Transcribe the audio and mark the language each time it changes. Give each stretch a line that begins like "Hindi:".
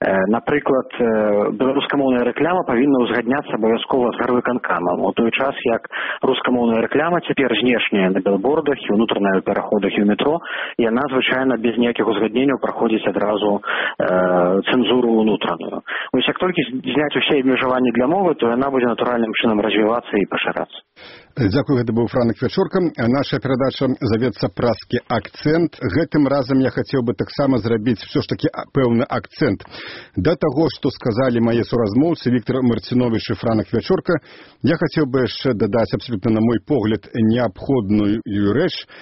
Belarusian: Напрыклад, беларускамоўная рэклама павінна ўзгадняцца абавязкова з гарвыканкамам. У той час, як рускамоўная рэклама цяпер знешняя на білбордах і ўнутраная ў пераходах і ў метро, яна звычайна без ніякіх узгадненняў праходзіць адразу цэнзуру ўнутраную.
Ukrainian: Ось як тільки зняти усі обмежування для мови, то вона буде натуральним чином розвиватися і поширатися. Дякую,
Belarusian: гэта быў Франак Вячорка. Наша перадача завецца «Праскі акцэнт». Гэтым разам я хацеў бы таксама зрабіць ўсё ж такі пэўны акцэнт. Да таго, што сказалі мае суразмоўцы Віктор Марціновіч і Франак Вячорка, я хацеў бы яшчэ дадаць абсалютна, на мой погляд, неабходную рэч.